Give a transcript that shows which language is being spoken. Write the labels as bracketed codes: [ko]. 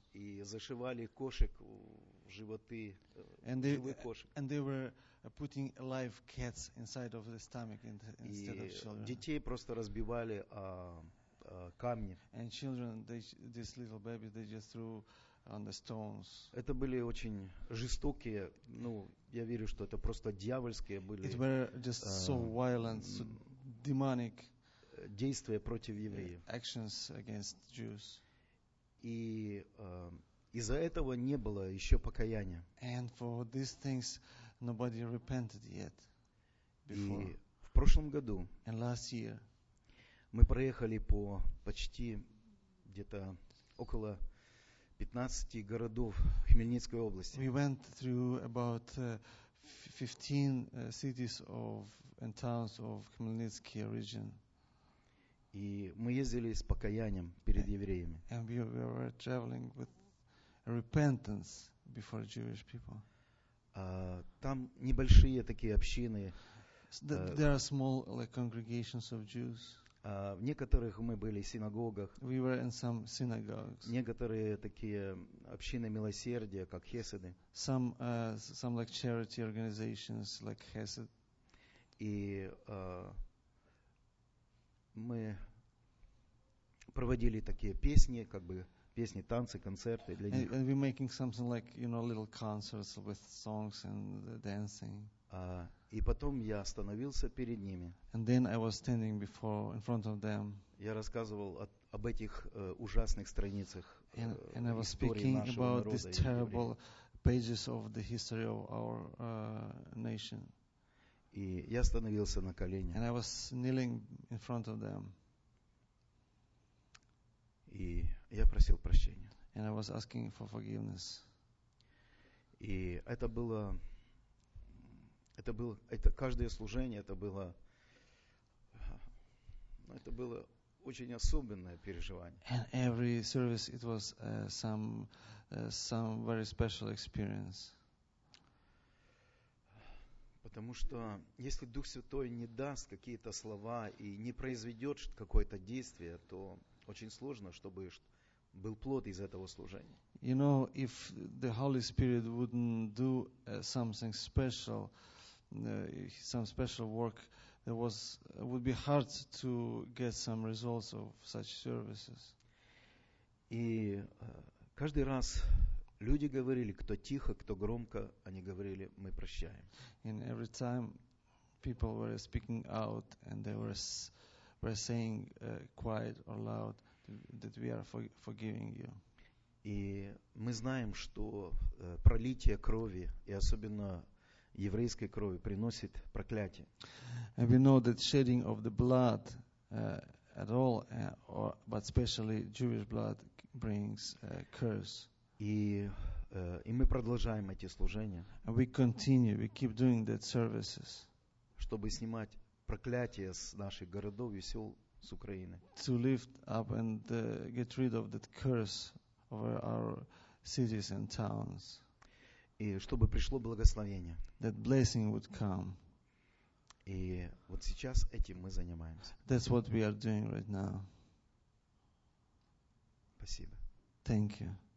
[ru] И зашивали кошек в животы живых кошек. [en] And they were putting live cats inside of the stomach instead of children. [ru] И детей просто разбивали камни. [en] And children, these little babies, they just threw on the stones. [ru] Это были очень жестокие, ну, я верю, что это просто дьявольские были. [en] It were just so violent, so demonic. [ru] Действия против евреев. [en] Actions against Jews. [ru] И из-за этого не было еще покаяния. [en] And for these things nobody repented yet. Before. [ru] И в прошлом году [en] and last year, [ru] мы проехали по почти где-то около 15 городов Хмельницкой области. [en] We went through about 15 cities of and towns of Хмельницкий region. [ru] И мы ездили с покаянием перед евреями. [en] And we were traveling with repentance before Jewish people. [ru] Там небольшие такие общины. [en] There are small like congregations of Jews. [ru] В некоторых мы были в синагогах. [en] We were in some synagogues. [ru] Некоторые такие общины милосердия, как хеседы. [en] Some like charity organizations like Hesed. [ru] И мы проводили такие песни, как бы песни, танцы, концерты для [en] and, [ru] них. [en] And we're making something like, you know, little concerts with songs and dancing. [ru] И потом я остановился перед ними. [en] And then I was standing before, in front of them. [ru] Я рассказывал об этих ужасных страницах истории нашего народа. [en] And I was speaking about these terrible pages of the history of our nation. [ru] И я остановился на колени. [en] And I was kneeling in front of them. [ru] И я просил прощения. [en] And I was asking for forgiveness. [ru] И это было каждое служение, это было очень особенное переживание. [en] And every service it was some very special experience. [ru] Потому что если Дух Святой не даст какие-то слова и не произведет какое-то действие, то очень сложно, чтобы был плод из этого служения. [en] You know, if the Holy Spirit wouldn't do something special, some special work, there was would be hard to get some results of such services. [ru] И каждый раз люди говорили, кто тихо, кто громко, они говорили, мы прощаем. [en] And every time people were speaking out and they were saying quiet or loud that we are forgiving you. [ru] И мы знаем, что пролитие крови, и особенно еврейской крови, приносит проклятие. [en] And we know that shedding of the blood at all, or, but especially Jewish blood, brings a curse. [ru] И мы продолжаем эти служения. [en] And we continue, we keep doing that services. [ru] Чтобы снимать проклятие с наших городов и сел с Украины. [en] To lift up and get rid of that curse over our cities and towns. [ru] И чтобы пришло благословение. [en] That blessing would come. [ru] И вот сейчас этим мы занимаемся. [en] That's what we are doing right now. [ru] Спасибо. [en] Thank you.